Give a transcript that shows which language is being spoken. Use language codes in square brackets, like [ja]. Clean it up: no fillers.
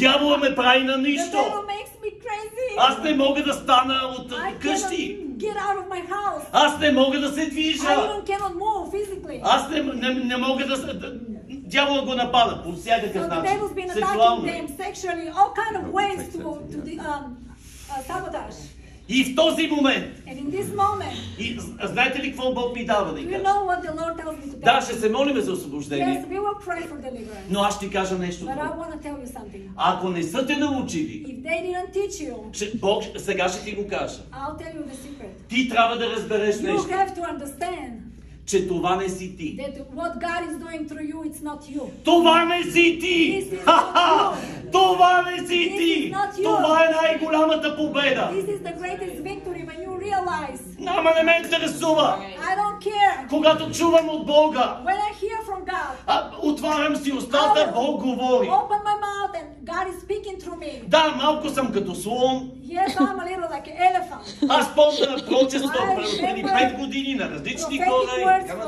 [bg] Дяволът ме прави на нищо. [en] Crazy. [bg] Аз не мога да стана от къщи. [en] Get out of my house. [bg] Аз не мога да се движа. [en] I even cannot move physically. [bg] Аз не мога да се. Дявол го напада по всякакъв начин. [en] So the devil's been attacking [bg] сексуално. [en] Them sexually, all kind of ways to the sabotage. [bg] И в този момент. [en] And in this moment. [bg] И знаете ли какво Бог ми дава да кажа? [en] You know what the Lord tells me to do? [bg] Да, ще се молим за освобождение. [en] Yes, we will pray for deliverance. [bg] Но аз ще кажа нещо. [en] But I want to tell you something. [bg] Ако не са те научили. [en] If they didn't teach you. [bg] Ще, Бог сега ще ти го кажа. [en] I'll tell you the secret. [bg] Ти трябва да разбереш [en] you [bg] нещо. [en] You have to understand. [bg] Че това не си ти. [en] That what God is doing through you, it's not you. [bg] Това не си ти! Това не си ти! Това е най-голямата победа! [en] This is the greatest victory when you realize. [bg] Ама не ме интересува! [en] I don't care. [bg] Когато чувам от Бога. [en] When I hear from God. [bg] Отварям си устата, Бог говори. [en] Open my mouth and God is speaking through me. [bg] Да, малко съм като слон. [en] Yes, I'm a little like an elephant. [bg] Аз помня на прочестов преди 5 години на различни хора.